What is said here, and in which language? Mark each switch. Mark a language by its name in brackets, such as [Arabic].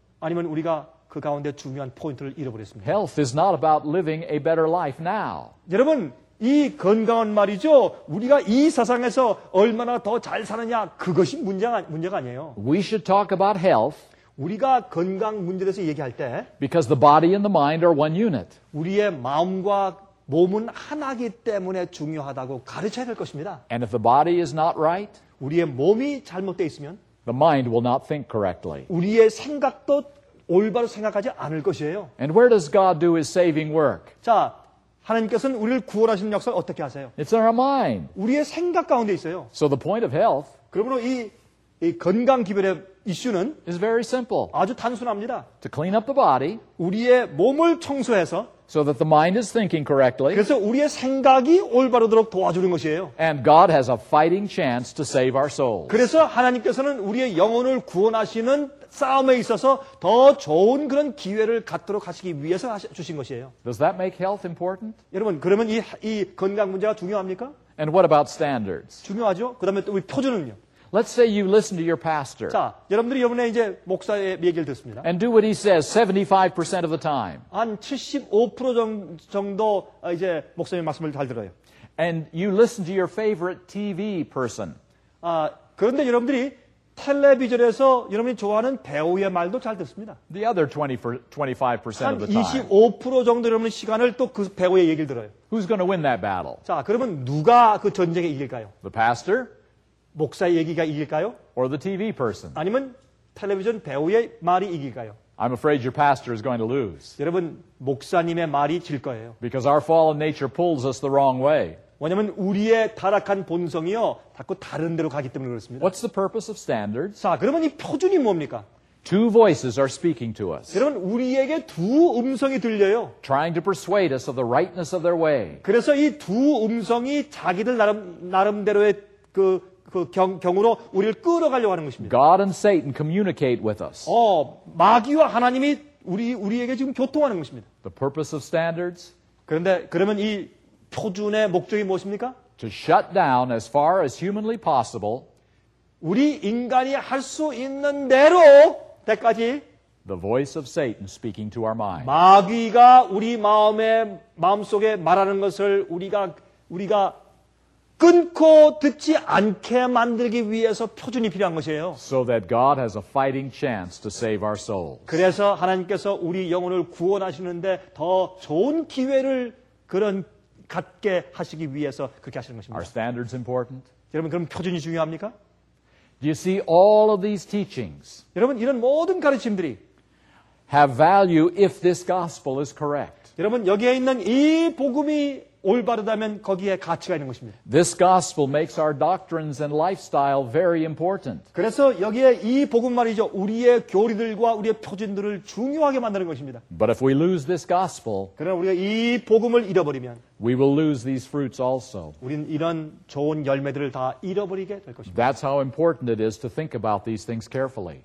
[Korean] 아니면 우리가 그 가운데 중요한 포인트를 잃어버렸습니까? [English] Health is not about living a better life now. [Korean] 여러분, 이 건강은 말이죠. 우리가 이 세상에서 얼마나 더 잘 사느냐 그것이 문제가 아니에요. [English] We should talk about health. [Korean] 우리가 건강 문제에서 얘기할 때 [English] because the body and the mind are one unit. [Korean] 우리의 마음과 몸은 하나이기 때문에 중요하다고 가르쳐야 될 것입니다. [English] And if the body is not right, [Korean] 우리의 몸이 잘못돼 있으면 [English] the mind will not think correctly. [Korean] 우리의 생각도 올바로 생각하지 않을 것이에요. [English] And where does God do his saving work? [Korean] 자, 하나님께서는 우리를 구원하시는 역사를 어떻게 하세요? [English] It's in our mind. [Korean] 우리의 생각 가운데 있어요. [English] So the point of health. [Korean] 그러므로 이 건강 기별의 이슈는 [English] is very simple. [Korean] 아주 단순합니다. [English] To clean up the body. [Korean] 우리의 몸을 청소해서 [English] so that the mind is thinking correctly. [Korean] 그래서 우리의 생각이 올바르도록 도와주는 것이에요. [English] And God has a fighting chance to save our souls. [Korean] 그래서 하나님께서는 우리의 영혼을 구원하시는 싸움에 있어서 더 좋은 그런 기회를 갖도록 하시기 위해서 주신 것이에요. [English] Does that make health important? [Korean] 여러분, 그러면 이 건강 문제가 중요합니까? [English] And what about standards? [Korean] 중요하죠. 그다음에 또 우리 표준은요. [English] Let's say you listen to your pastor. [Korean] 자, 여러분들이 이번에 이제 목사의 얘기를 듣습니다. [English] And do what he says 75% of the time. [Korean] 한 75% 정도 이제 목사님 말씀을 잘 들어요. [English] And you listen to your favorite TV person. [Korean] 아, 그런데 여러분들이 텔레비전에서 여러분이 좋아하는 배우의 말도 잘 듣습니다. [English] The other 25% of the time. [Korean] 25% 정도 여러분의 시간을 또 그 배우의 얘기를 들어요. [English] Who's going to win that battle? [Korean] 자, 그러면 누가 그 전쟁에 이길까요? [English] The pastor? [Korean] 목사의 얘기가 이길까요? [English] Or the TV person? [Korean] 아니면 텔레비전 배우의 말이 이길까요? [English] I'm afraid your pastor is going to lose. [Korean] 여러분, 목사님의 말이 질 거예요. [English] Because our fallen nature pulls us the wrong way. [Korean] 왜냐하면 우리의 타락한 본성이요 자꾸 다른 데로 가기 때문에 그렇습니다. [English] What's the purpose of standards? [Korean] 자, 그러면 이 표준이 뭡니까? [English] Two voices are speaking to us. [Korean] 여러분, 우리에게 두 음성이 들려요. [English] Trying to persuade us of the rightness of their way. [Korean] 그래서 이 두 음성이 자기들 나름대로의 경우로 우리를 끌어가려고 하는 것입니다. [English] God and Satan communicate with us. [Korean] 마귀와 하나님이 우리에게 지금 교통하는 것입니다. [English] The purpose of standards? [Korean] 그런데 그러면 이 표준의 목적이 무엇입니까? [English] To shut down as far as humanly possible. [Korean] 우리 인간이 할 수 있는 대로 때까지. [English] The voice of Satan speaking to our mind. [Korean] 마귀가 우리 마음속에 말하는 것을 우리가 끊고 듣지 않게 만들기 위해서 표준이 필요한 것이에요. [English] So that God has a fighting chance to save our souls. [Korean] 그래서 하나님께서 우리 영혼을 구원하시는데 더 좋은 기회를 그런 갖게 하시기 위해서 그렇게 하시는 것입니다. [English] Are standards important? [Korean] 여러분, 그럼 표준이 중요합니까? [English] Do you see all of these teachings? [Korean] 여러분, 이런 모든 가르침들이 [English] have value if this gospel is correct. [Korean] 여러분, 여기에 있는 이 복음이 올바르다면 거기에 가치가 있는 것입니다. [English] This gospel makes our doctrines and lifestyle very important. [Korean] 그래서 여기에 이 복음 말이죠. 우리의 교리들과 우리의 표준들을 중요하게 만드는 것입니다. [English] But if we lose this gospel, [Korean] 그러나 우리가 이 복음을 잃어버리면 [English] we will lose these fruits also. [Korean] 우리는 이런 좋은 열매들을 다 잃어버리게 될 것입니다. [English] That's how important it is to think about these things carefully.